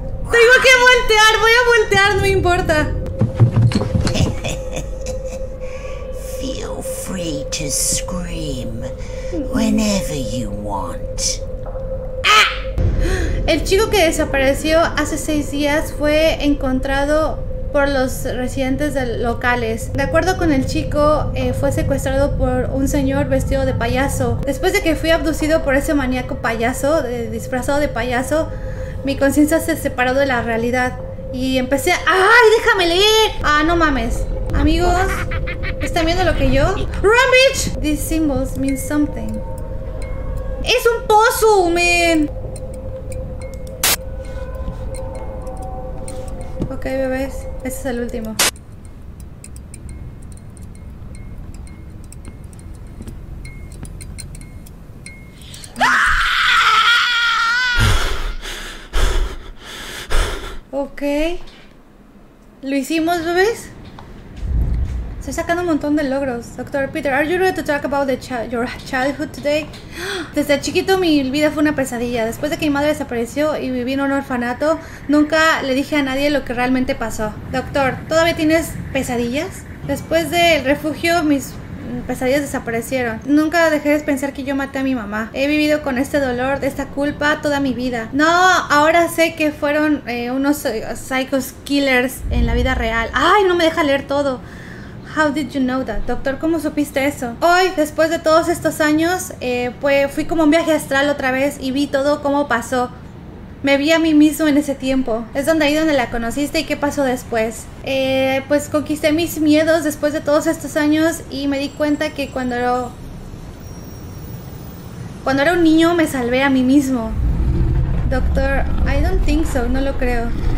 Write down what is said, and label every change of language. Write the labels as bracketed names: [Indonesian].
[Spanish] Tengo que voltear, voy a voltear, no me importa. [English] Feel free to scream whenever you want. ¡Ah! [Spanish] El chico que desapareció hace 6 días fue encontrado por los residentes locales. De acuerdo con el chico, fue secuestrado por un señor vestido de payaso. Después de que fui abducido por ese maníaco payaso, disfrazado de payaso, mi conciencia se separó de la realidad y empecé a... ¡Ay, déjame leer! ¡Ah, no mames! Amigos, ¿están viendo lo que yo? [English] ¡Run, bitch! These symbols mean something. [Spanish] ¡Es un pozo, man! Ok, bebés, ese es el último. Ok, lo hicimos, bebés. Estoy sacando un montón de logros. [English] Doctor Peter, are you ready to talk about your childhood today? [Spanish] Desde chiquito mi vida fue una pesadilla. Después de que mi madre desapareció y viví en un orfanato, nunca le dije a nadie lo que realmente pasó. Doctor, ¿todavía tienes pesadillas? Después del refugio, mis pesadillas desaparecieron. Nunca dejé de pensar que yo maté a mi mamá. He vivido con este dolor, esta culpa toda mi vida. No, ahora sé que fueron unos [English] psychos killers [Spanish] en la vida real. ¡Ay, no me deja leer todo! [English] How did you know that? [Spanish] Doctor, ¿cómo supiste eso? Hoy, después de todos estos años, pues fui como un viaje astral otra vez y vi todo cómo pasó. Me vi a mí mismo en ese tiempo. Es donde ahí donde la conociste y qué pasó después. Pues conquisté mis miedos después de todos estos años y me di cuenta que cuando era un niño me salvé a mí mismo. [English] Doctor, I don't think so, [Spanish] no lo creo.